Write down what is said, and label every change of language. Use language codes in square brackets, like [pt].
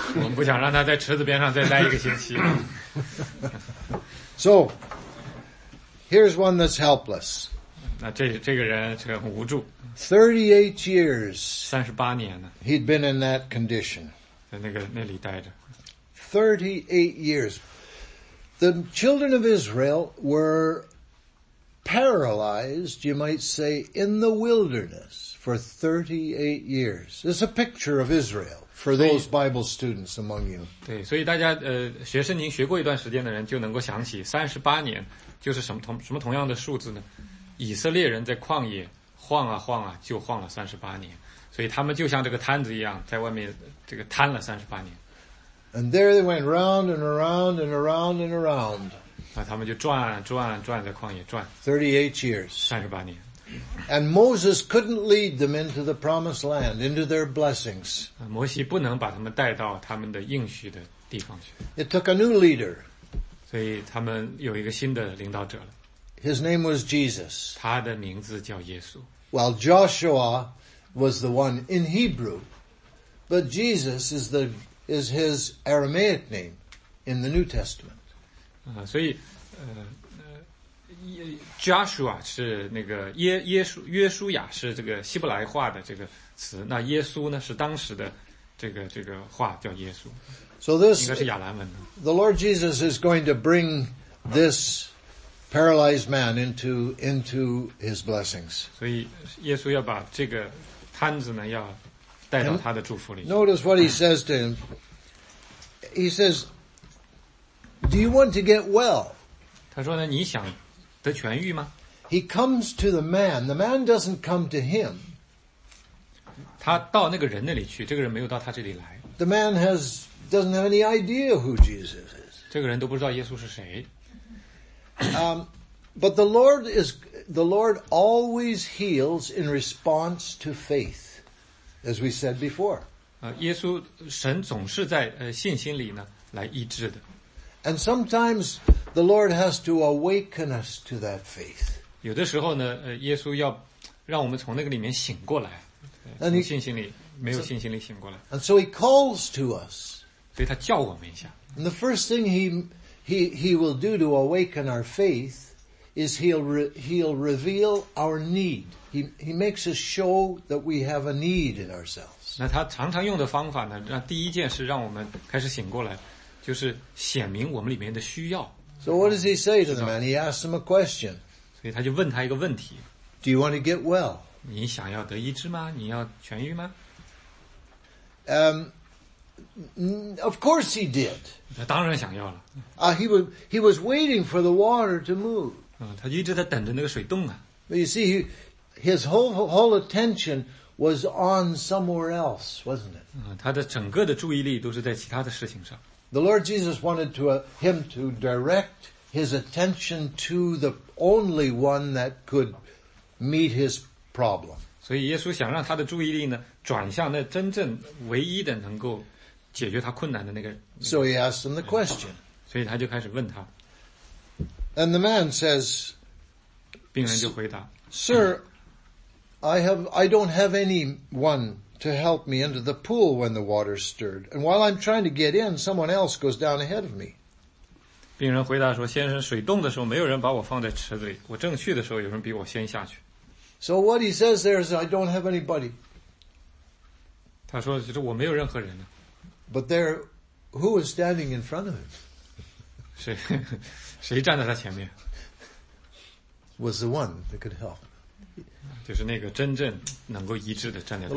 [zh] 我们不想让他在池子边上再待一个星期。 [en] So, here's one that's helpless. [zh] 那这个人是很无助。 [en] 38 years. [zh] 38年了。 [en] He'd been in that condition. [zh] 在那里待着。 [en] 38 years. The children of Israel were paralyzed, you might say, in the wilderness for 38 years. It's a picture of Israel for those Bible students among you. [zh] 对，所以大家学圣经学过一段时间的人就能够想起38年就是什么同样的数字呢？以色列人在旷野晃啊晃啊就晃了38年，所以他们就像这个摊子一样在外面这个摊了38年。 [en] And there they went round and around and around and around. [zh] 他们就转转转在旷野转。 [en] 38 years. [zh] 38年。 [en] And Moses couldn't lead them into the promised land, into their blessings. [zh] 摩西不能把他们带到他们的应许的地方去。 [en] It took a new leader. [zh] 所以他们有一个新的领导者了。 [en] His name was Jesus. [zh] 他的名字叫耶稣。 [en] While Joshua was the one in Hebrew, but Jesus is his Aramaic name in the New Testament. [zh] 所以Joshua 是那个约书亚是这个希伯来话的这个词，那耶稣呢是当时的这个话叫耶稣。 [en] So this, [zh] 应该是亚兰文的。 [en] The Lord Jesus is going to bring this paralyzed man into his blessings. [zh] 所以耶稣要把这个摊子呢要带到他的祝福里。 [en] And notice what he says to him. He says, "Do you want to get well?" [zh] 他说呢，你想得痊愈吗？ [en] He comes to the man. The man doesn't come to him. [zh] 他到那个人那里去，这个人没有到他这里来。 [en] The man doesn't have any idea who Jesus is. [zh] 这个人都不知道耶稣是谁。 [en] But the Lord always heals in response to faith. As we said before. [zh] 耶稣神总是在信心里呢来医治的。 And sometimes the Lord has to awaken us to that faith. 有的时候呢耶稣要让我们从那个里面醒过来。没有信心里醒过来。 [en] And so he calls to us. [zh] 所以他叫我们一下。 [en] And the first thing he will do to awaken our faith is he'll reveal our need. He makes us show that we have a need in ourselves. [zh] 那他常常用的方法呢，那第一件事让我们开始醒过来，就是显明我们里面的需要。 [en] So what does he say to the man? He asks him a question. [zh] 所以他就问他一个问题。 [en] Do you want to get well? [zh] 你想要得医治吗？你要痊愈吗？ [en] Of course he did. [zh] 他当然想要了。 [en] He was waiting for the water to move. [zh] 他一直在等着那个水动啊。 [en] But you see, his whole attention was on somewhere else, wasn't it? [zh] 他的整个的注意力都是在其他的事情上。 [en] The Lord Jesus wanted him to direct his attention to the only one that could meet his problem. [zh] 所以耶稣想让他的注意力呢转向那真正唯一的能够解决他困难的那个。 [en] So he asked him the question. [zh] 所以他就开始问他。 [en] And the man says, [zh] 病人就回答， [en] Sir, I don't have anyone to help me into the pool when the water stirred. And while I'm trying to get in, someone else goes down ahead of me. [zh] 病人回答说，先生，水动的时候没有人把我放在池子里，我正去的时候有人比我先下去。 [en] So what he says there is, I don't have anybody. [zh] 他说，其实我没有任何人呢。 [en] But there, who was standing in front of him? [zh] 谁站在他前面？ [en] Was the one that could help. [zh] 就是那个真正能够医治的站在。